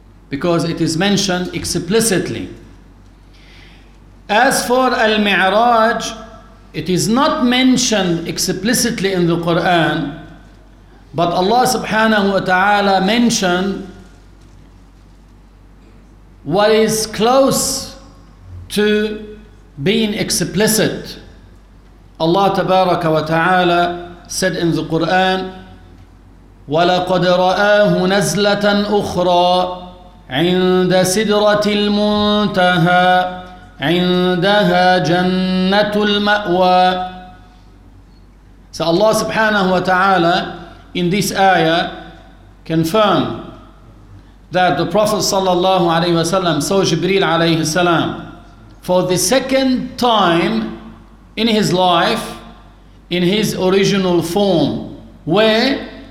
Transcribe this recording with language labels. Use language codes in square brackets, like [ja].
[en] Because it is mentioned explicitly. As for Al-Mi'raj, it is not mentioned explicitly in the Quran, but Allah subhanahu wa ta'ala mentioned what is close to being explicit. Allah tabaraka wa ta'ala said in the Quran, [ar] وَلَقَدْ رَآهُ نَزْلَةً أُخْرَى عند سدرة المنتهى عندها جنة المأوى. [en] So Allah subhanahu wa ta'ala in this ayah confirmed that the Prophet sallallahu alayhi wa sallam saw Jibreel alayhi salam for the second time in his life in his original form. Where?